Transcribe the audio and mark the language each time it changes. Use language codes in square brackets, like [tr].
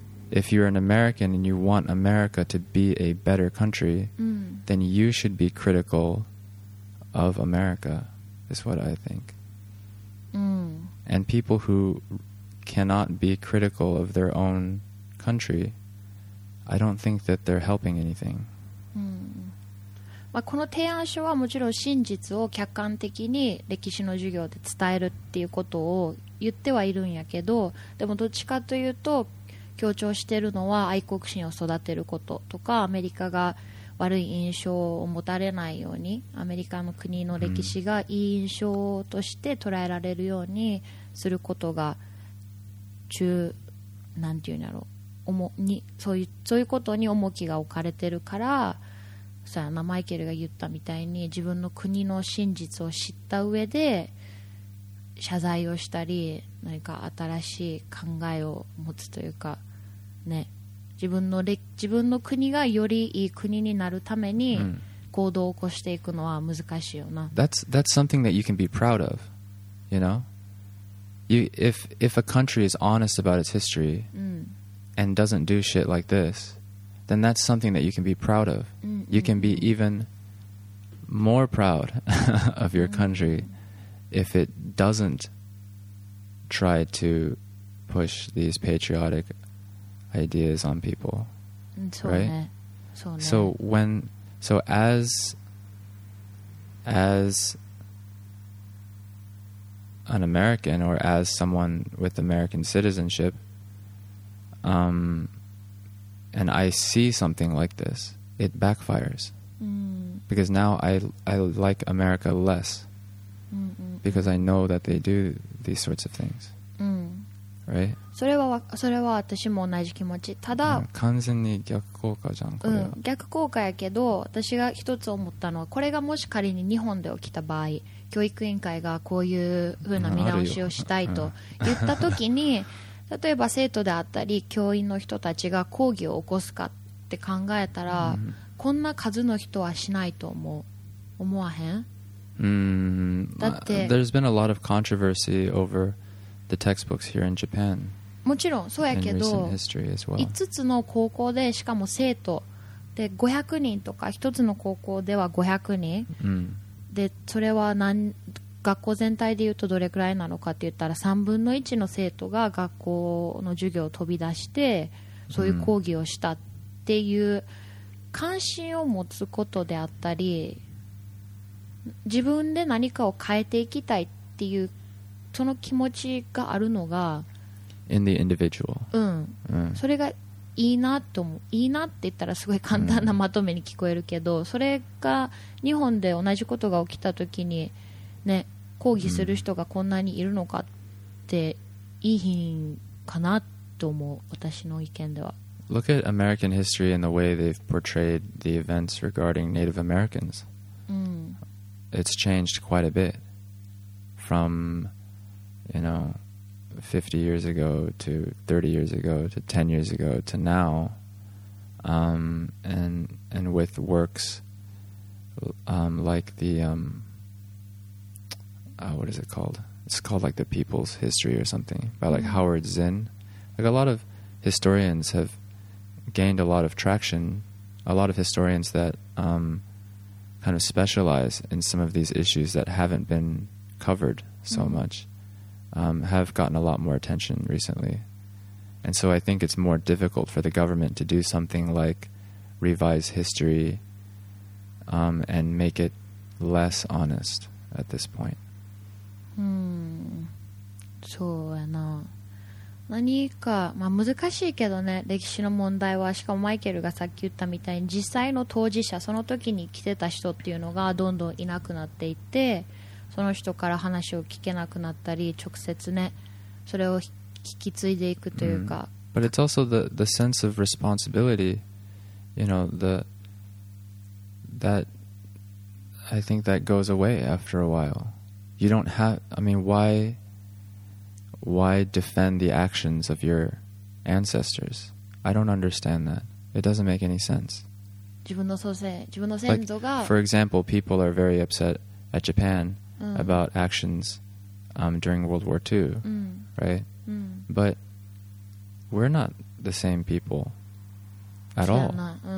[en] If you're an American and you want America to be a better country, then you should be critical of America, is what I think. And people who cannot be critical of their own country, I don't think that they're helping anything. [ja] まあ、この提案書はもちろん真実を客観的に歴史の授業で伝えるっていうことを言ってはいるんやけど、でもどっちかというと強調しているのは愛国心を育てることとか、アメリカが悪い印象を持たれないように、アメリカの国の歴史がいい印象として捉えられるようにすることが中、なんていうんだろう、重に、そういうことに重きが置かれてるから、そうやな、マイケルが言ったみたいに自分の国の真実を知った上で謝罪をしたり、何か新しい考えを持つというか、ね、自分の国がよりいい国になるために行動を起こしていくのは難しいよな。 [en] That's something that you can be proud of, you know? If a country is honest about its history and doesn't do shit like this,then that's something that you can be proud of. You can be even more proud of your country if it doesn't try to push these patriotic ideas on people. Right? So as an American or as someone with American citizenship, and I see something like this, it backfires. Because now I like America less. Because I know that they do these sorts of things. Right? [ja] それは私も同じ気持ち。ただ、完全に逆効果じゃん、これは。逆効果やけど、私が一つ思ったのは、これがもし仮に日本で起きた場合、教育委員会がこういうふうな見直しをしたいと言ったときに、例えば生徒であったり教員の人たちが抗議を起こすかって考えたら、こんな数の人はしないと思う。思わへん？だって、 [en] there's been a lot of controversy over the textbooks here in Japan. [ja] もちろんそうやけど、 5 つの高校で、しかも生徒で500人とか、1つの高校では500人、で、それは何、学校全体でいうとどれくらいなのかって言ったら、3分の1の生徒が学校の授業を飛び出してそういう講義をしたっていう、関心を持つことであったり、自分で何かを変えていきたいっていうその気持ちがあるのが、 [en] in the individual、 [ja] それがいいなと思う。いいなって言ったらすごい簡単なまとめに聞こえるけど、それが日本で同じことが起きた時にね、抗議する人がこんなにいるのかって、いいんかなと思う、私の意見では。 [en] Look at American history and the way they've portrayed the events regarding Native Americans. It's changed quite a bit from, you know, 50 years ago to 30 years ago to 10 years ago to now. And with works like the... what is it called? It's called like the People's History or something by like Howard Zinn. Like a lot of historians have gained a lot of traction. A lot of historians that kind of specialize in some of these issues that haven't been covered so much have gotten a lot more attention recently. And so I think it's more difficult for the government to do something like revise history and make it less honest at this point. [ja] そうやな。何か、まあ、難しいけどね、歴史の問題は。しかもマイケルがさっき言ったみたいに、実際の当事者、その時に来てた人っていうのがどんどんいなくなっていって、その人から話を聞けなくなったり、直接ね、それを引き継いでいくというか。 [en] But it's also the sense of responsibility, you know, that I think that goes away after a while. You don't have, I mean, why defend the actions of your ancestors? I don't understand that. It doesn't make any sense. [ja] 自分の祖先、自分の先祖が。 [en] Like, for example, people are very upset at Japan about actions during World War II, right? But we're not the same people at all.